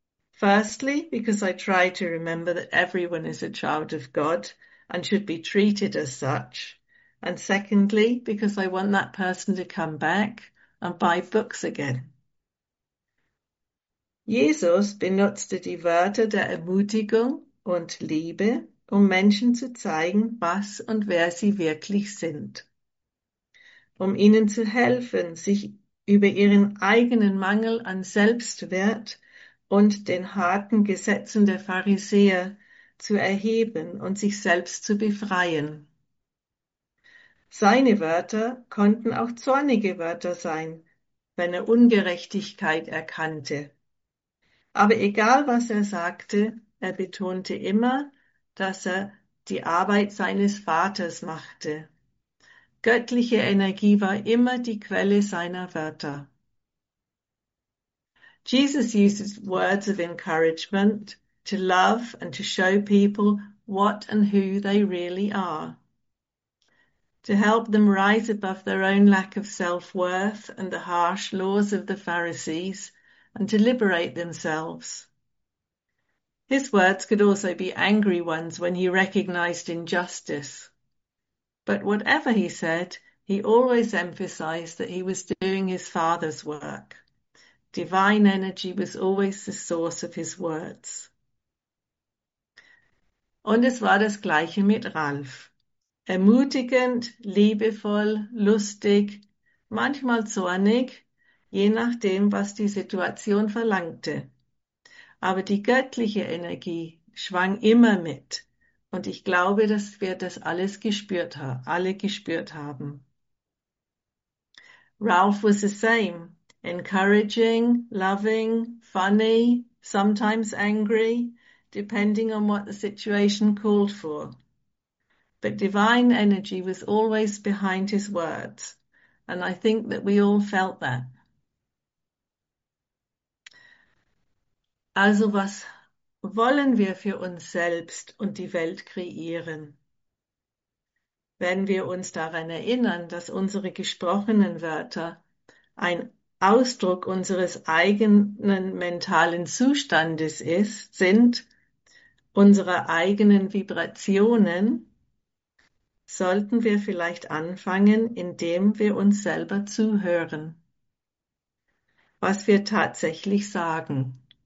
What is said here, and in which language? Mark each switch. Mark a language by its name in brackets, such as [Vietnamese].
[English] Firstly, because I try to remember that everyone is a child of God and should be treated as such. And secondly, because I want that person to come back and buy books again. [German] Jesus benutzte die Wörter der Ermutigung und Liebe, um Menschen zu zeigen, was und wer sie wirklich sind, um ihnen zu helfen, sich über ihren eigenen Mangel an Selbstwert und den harten Gesetzen der Pharisäer zu erheben und sich selbst zu befreien. Seine Wörter konnten auch zornige Wörter sein, wenn er Ungerechtigkeit erkannte. Aber egal, was er sagte, er betonte immer, dass er die Arbeit seines Vaters machte. Göttliche Energie war immer die Quelle seiner Wörter. [English] Jesus uses words of encouragement to love and to show people what and who they really are, to help them rise above their own lack of self-worth and the harsh laws of the Pharisees, and to liberate themselves. His words could also be angry ones when he recognized injustice. But whatever he said, he always emphasized that he was doing his father's work. Divine energy was always the source of his words. [German] Und es war das Gleiche mit Ralph. Ermutigend, liebevoll, lustig, manchmal zornig, je nachdem, was die Situation verlangte. Aber die göttliche Energie schwang immer mit, und ich glaube, dass wir das alles gespürt haben, alle gespürt haben. [English] Ralph was the same, encouraging, loving, funny, sometimes angry, depending on what the situation called for. But divine energy was always behind his words, and I think that we all felt that. [German] Also, was wollen wir für uns selbst und die Welt kreieren? Wenn wir uns daran erinnern, dass unsere gesprochenen Wörter ein Ausdruck unseres eigenen mentalen Zustandes sind, unserer eigenen Vibrationen, sollten wir vielleicht anfangen, indem wir uns selber zuhören, was wir tatsächlich sagen.